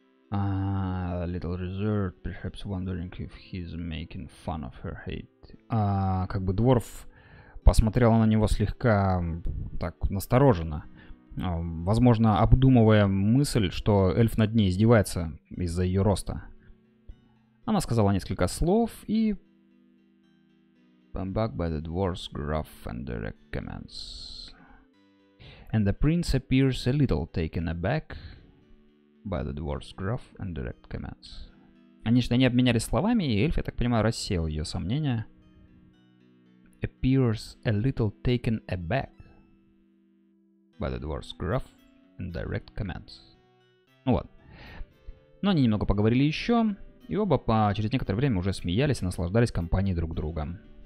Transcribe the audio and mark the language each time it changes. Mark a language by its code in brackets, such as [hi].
[en] Little reserved, perhaps wondering if he's making fun of her height. [ru] Как бы дворф посмотрела на него слегка так настороженно. Возможно, обдумывая мысль, что эльф над ней издевается из-за ее роста. Она сказала несколько слов и... [en] I'm back by the dwarf's gruff and direct commands. And the prince appears a little taken aback by the dwarf's gruff and direct commands. [ru] Конечно, они обменялись словами, и эльф, я так понимаю, рассеял ее сомнения. [en] Appears a little taken aback. By the dwarf's gruff and direct commands. [ru] Ну вот. Но они немного поговорили еще, и оба через некоторое время уже смеялись и наслаждались компанией друг друга.